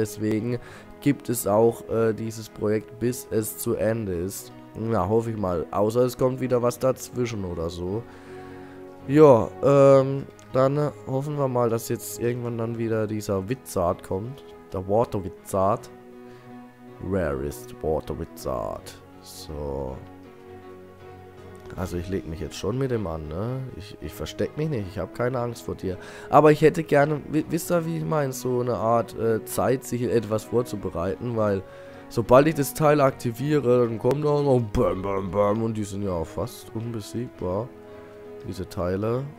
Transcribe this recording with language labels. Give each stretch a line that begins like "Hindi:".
German: Deswegen gibt es auch dieses Projekt, bis es zu Ende ist. Na, hoffe ich mal. Außer es kommt wieder was dazwischen oder so. Ja, dann hoffen wir mal, dass jetzt irgendwann dann wieder dieser Wizard kommt. Der Water Wizard.
English: Where is the Water Wizard? So.
German: Also ich lege mich jetzt schon mit dem an, ne? Ich versteck mich nicht, ich habe keine Angst vor dir. Aber ich hätte gerne, wisst ihr, wie ich meine, so eine Art Zeit, sich etwas vorzubereiten, weil sobald ich das Teil aktiviere, dann kommt da noch bam, bam, bam und die sind ja auch fast unbesiegbar. Diese Teile.